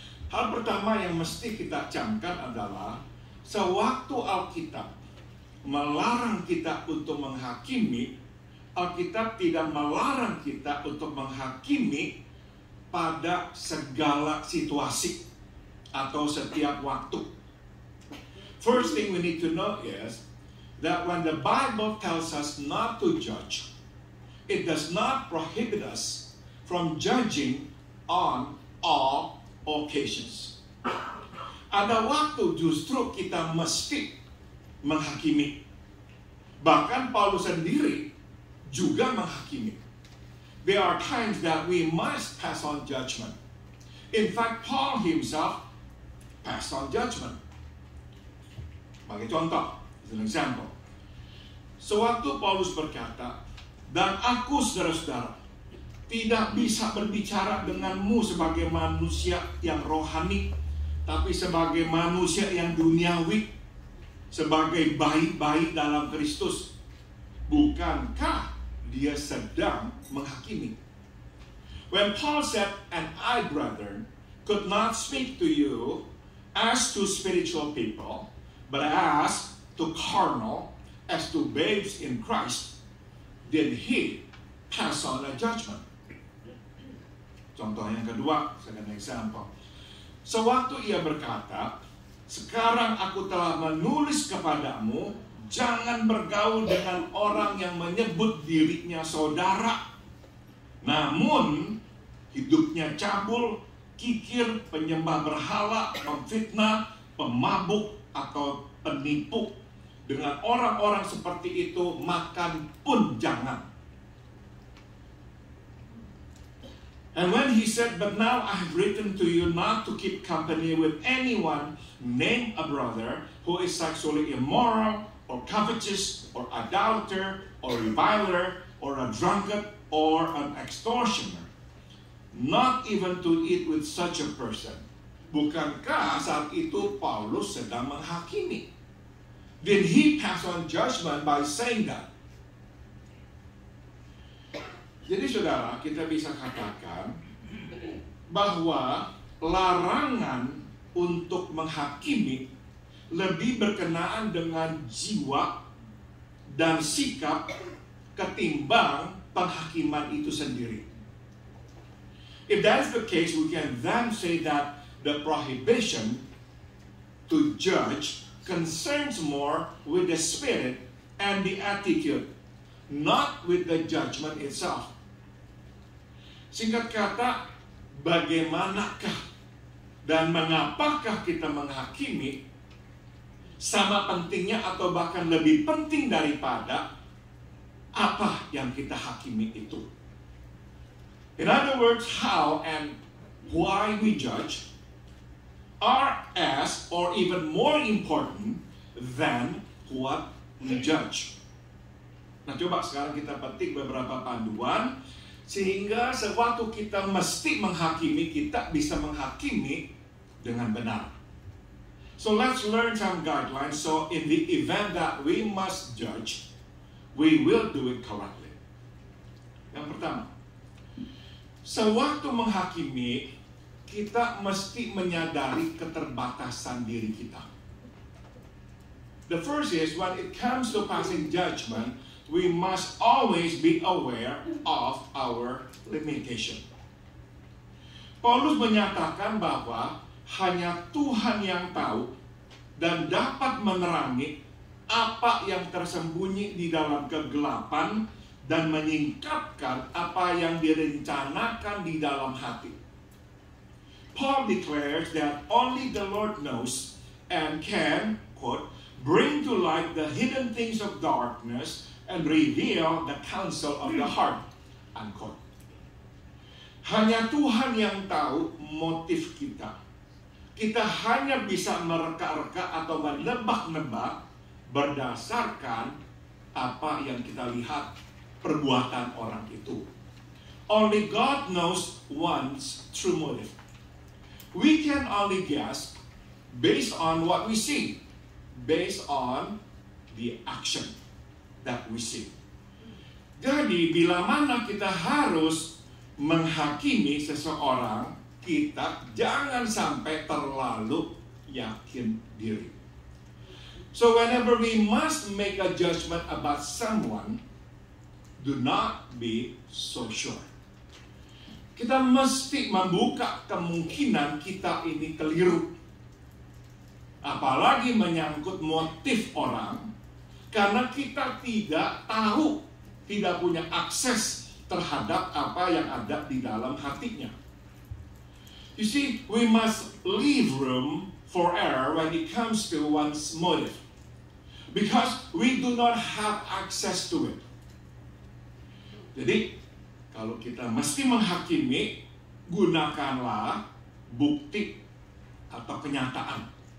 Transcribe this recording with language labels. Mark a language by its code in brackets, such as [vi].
[id] Hal pertama yang mesti kita camkan adalah, sewaktu Alkitab melarang kita untuk menghakimi, Alkitab tidak melarang kita untuk menghakimi pada segala situasi atau setiap waktu. [en] First thing we need to know is that when the Bible tells us not to judge, it does not prohibit us from judging on all occasions. [id] Ada waktu justru kita mesti menghakimi. Bahkan Paulus sendiri juga menghakimi. [en] There are times that we must pass on judgment. In fact, Paul himself passed on judgment. [id] Bagi contoh, [en] as an example. [id] Sewaktu Paulus berkata, dan aku, saudara-saudara, tidak bisa berbicara denganmu sebagai manusia yang rohani, tapi sebagai manusia yang duniawi, sebagai baik-baik dalam Kristus. Bukankah dia sedang menghakimi? [en] When Paul said, and I, brethren, could not speak to you as to spiritual people, but as to carnal, as to babes in Christ, then he passed on a judgment. [id] Contoh yang kedua, [en] second example. [id] Sewaktu ia berkata, sekarang aku telah menulis kepadamu, jangan bergaul dengan orang yang menyebut dirinya saudara, namun hidupnya cabul, kikir, penyembah berhala, pemfitnah, pemabuk, atau penipu. Dengan orang-orang seperti itu, makan pun jangan. [en] And when he said, but now I have written to you not to keep company with anyone named a brother who is sexually immoral, or covetous, or idolater, or reviler, or a drunkard, or an extortioner. Not even to eat with such a person. [id] Bukankah saat itu Paulus sedang menghakimi? [en] Then he passed on judgment by saying that. [id] Jadi saudara, kita bisa katakan bahwa larangan untuk menghakimi lebih berkenaan dengan jiwa dan sikap ketimbang penghakiman itu sendiri. [en] If that is the case, we can then say that the prohibition to judge concerns more with the spirit and the attitude, not with the judgment itself. [id] Singkat kata, bagaimanakah dan mengapakah kita menghakimi sama pentingnya atau bahkan lebih penting daripada apa yang kita hakimi itu. [en] In other words, how and why we judge are as or even more important than what we judge. [id] Nah, coba sekarang kita petik beberapa panduan sehingga sewaktu kita mesti menghakimi, kita bisa menghakimi dengan benar. [en] So let's learn some guidelines so in the event that we must judge, we will do it correctly. [id] Yang pertama, sewaktu menghakimi, kita mesti menyadari keterbatasan diri kita. [en] The first is, when it comes to passing judgment, we must always be aware of our limitation. [id] Paulus menyatakan bahwa hanya Tuhan yang tahu dan dapat menerangi apa yang tersembunyi di dalam kegelapan dan menyingkapkan apa yang direncanakan di dalam hati. [en] Paul declares that only the Lord knows and can, quote, bring to light the hidden things of darkness and reveal the counsel of the heart, unquote. [id] Hanya Tuhan yang tahu motif kita. Kita hanya bisa mereka-reka atau menebak-nebak berdasarkan apa yang kita lihat perbuatan orang itu. [en] Only God knows one's true motive. We can only guess based on what we see, based on the action that we see. [id] Jadi, bila mana kita harus menghakimi seseorang, kita jangan sampai terlalu yakin diri. [en] So whenever we must make a judgment about someone, do not be so sure. [id] Kita mesti membuka kemungkinan kita ini keliru. Apalagi menyangkut motif orang, karena kita tidak tahu, tidak punya akses terhadap apa yang ada di dalam hatinya. [en] You see, we must leave room for error when it comes to one's motive, because we do not have access to it. [id] Jadi, kalau kita mesti menghakimi, gunakanlah bukti atau kenyataan.